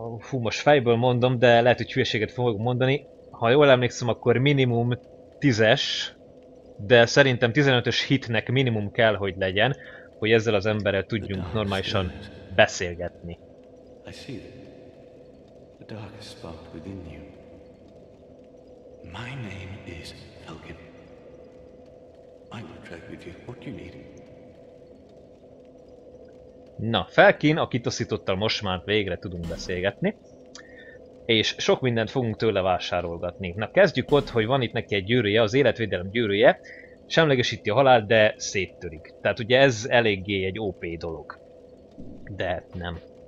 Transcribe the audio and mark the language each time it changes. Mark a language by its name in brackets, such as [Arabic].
[Hungarian] Most fejből mondom, de lehet, hogy hülyeséget fogok mondani. Ha jól emlékszem, akkor minimum 10-es, de szerintem 15-ös hitnek minimum kell, hogy legyen, hogy ezzel az emberrel tudjunk normálisan beszélgetni. [English] The darkest spark within you. My name is Elgin. I will track with you what you need. [Hungarian] Na, Felkin, a kitaszítottal most már végre tudunk beszélgetni. És sok mindent fogunk tőle vásárolgatni. Na, kezdjük ott, hogy van itt neki egy gyűrűje, az életvédelem gyűrűje. Semlegesíti a halált, de széttörik. Tehát ugye ez eléggé egy OP dolog. De nem.